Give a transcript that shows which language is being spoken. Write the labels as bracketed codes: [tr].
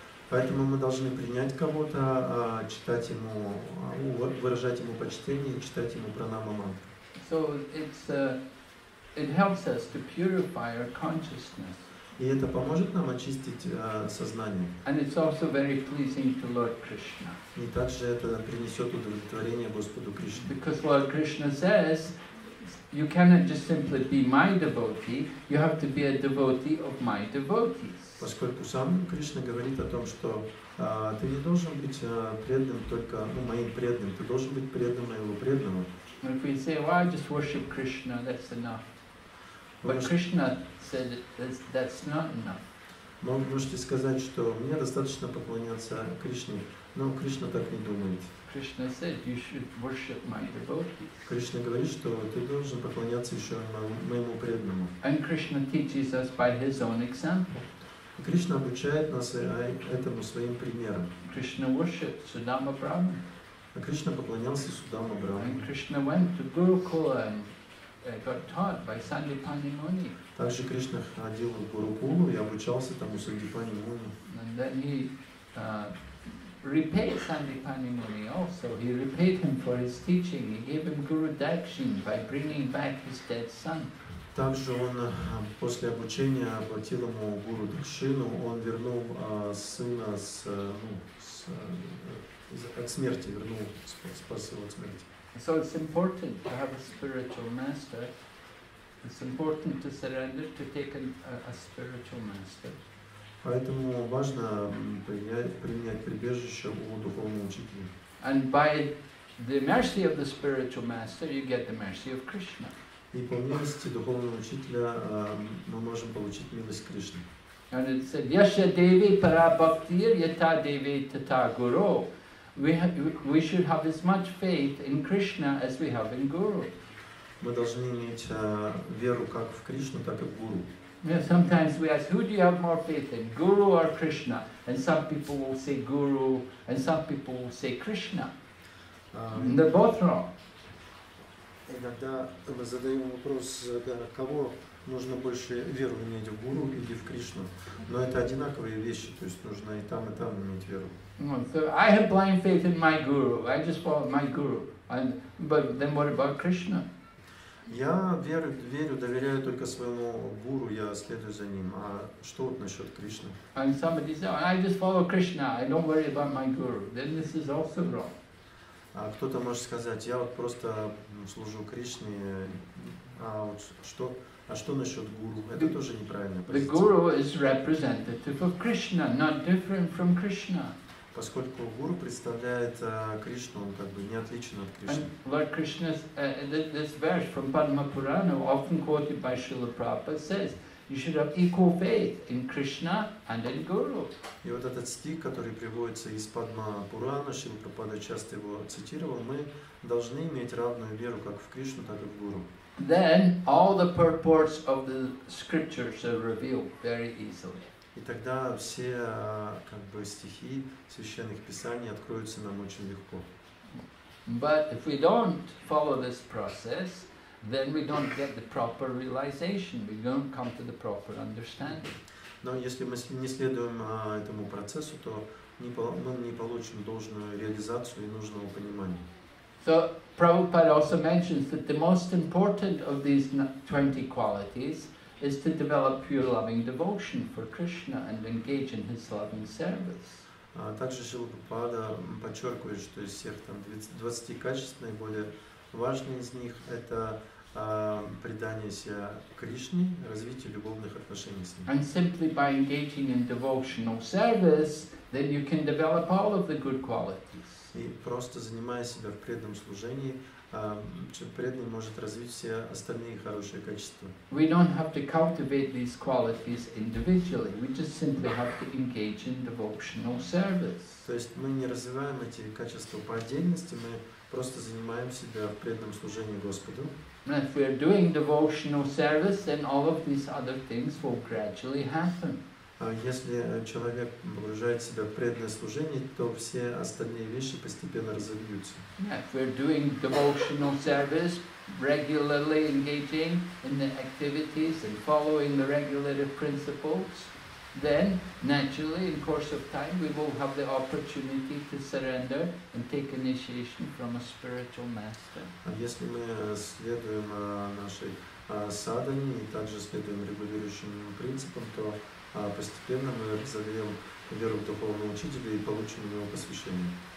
[ru] Поэтому мы должны принять кого-то, читать ему, выражать ему почтение, читать ему пранама мантру. [en] So it helps us to purify our consciousness. [ru] И это поможет нам очистить сознание. [en] And it's also very pleasing to Lord Krishna. [ru] И также это принесет удовлетворение Господу Кришне. [en] Because Lord Krishna says, you cannot just simply be my devotee, you have to be a devotee of my devotees. [ru] Поскольку сам Кришна говорит о том, что ты не должен быть преданным только моим преданным, ты должен быть преданным моего преданного. [en] And if we say, well, I just worship Krishna, that's enough. But Krishna said that's not enough. [ru] Но вы можете сказать, что мне достаточно поклоняться Кришне, но Кришна так не думает. [en] Krishna said you should worship my devotees. [ru] Кришна говорит, что ты должен поклоняться еще моему преданному. [en] And Krishna teaches us by his own example. [ru] Кришна обучает нас этому своим примером. [en] Krishna worshipped Sudama Brahman. [ru] А Кришна поклонялся Судама Брахману. [en] And Krishna went to Gurukula and got taught by Sandipani Muni. [ru] Также Кришна ходил в Гурукулу и обучался там у Сандипани Муни. [en] And then he repaid Sandipani Muni also. He repaid him for his teaching. He gave him Guru Dakshin by bringing back his dead son. [ru] Также он после обучения оплатил ему Гуру Дакшину. Он вернул сына с, ну, с, от смерти, вернул, спас его от смерти. [en] So it's important to have a spiritual master. It's important to surrender, to take a spiritual master. [ru] Поэтому важно принять прибежище у духовного учителя. [en] And by the mercy of the spiritual master, you get the mercy of Krishna. [ru] И по милости духовного учителя мы можем получить милость Кришны. [sa] And it said, Yasya Devi para bhaktir yata devi tata guru. [en] We should have as much faith in Krishna as we have in Guru. [ru] Мы должны иметь веру как в Кришну, так и в Гуру. [en] Yeah, sometimes we ask, who do you have more faith in, Guru or Krishna? And some people will say Guru, and some people will say Krishna. And they're both wrong. [ru] Иногда мы задаем вопрос, кого нужно больше веру иметь, в Гуру или в Кришну. Но это одинаковые вещи, то есть нужно и там иметь веру. [en] So I have blind faith in my guru. I just follow my guru. But then what about Krishna? [ru] Я верю, доверяю только своему гуру. Я следую за ним. А что насчет Кришны? [en] And somebody says, I just follow Krishna. I don't worry about my guru. Then this is also wrong. [ru] А кто-то может сказать, я вот просто служу Кришне. А вот что? А что насчет гуру? Это тоже неправильная позиция. [en] The guru is representative of Krishna, not different from Krishna. [ru] Поскольку гуру представляет Кришну, он как бы не отличен от Кришны. [en] And Lord Krishna's this verse from Padma Purana, often quoted by Srila Prabhupada, says you should have equal faith in Krishna and in Guru. [ru] И вот этот стих, который приводится из Падма Пурана, Шрила Прабхупада часто его цитировал, мы должны иметь равную веру как в Кришну, так и в Гуру. [en] Then all the purports of the scriptures are revealed very easily. [ru] И тогда все как бы стихи священных писаний откроются нам очень легко. [en] But if we don't follow this process, then we don't get the proper realization. We don't come to the proper understanding. [ru] Но если мы не следуем этому процессу, то мы не получим должную реализацию и нужного понимания. [en] So Prabhupada also mentions that the most important of these 20 qualities is to develop pure loving devotion for Krishna and engage in his loving service. [ru] Также Шрила Прабхупада подчеркивает, что из всех там 20 качеств наиболее важные из них — это предание себя Кришне, развитие любовных отношений с Ним. [en] And simply by engaging in devotional service, then you can develop all of the good qualities. [ru] И просто занимая себя в преданном служении, преданный может развить все остальные хорошие качества. [en] We don't have to cultivate these qualities individually. We just simply have to engage in devotional service. [ru] То есть мы не развиваем эти качества по отдельности, мы просто занимаем себя в преданном служении Господу. [en] And if we are doing devotional service, then all of these other things will gradually happen. [ru] Если человек погружает себя в преданное служение, то все остальные вещи постепенно разовьются. [en] If we're doing devotional service, regularly engaging in the activities and following the regulative principles, then naturally, in course of time, we will have the opportunity to surrender and take initiation from a spiritual master. [ru] Если мы следуем нашей садхане и также следуем регулирующим принципам, то постепенно мы разовьем веру в духовного учителя и получим его посвящение.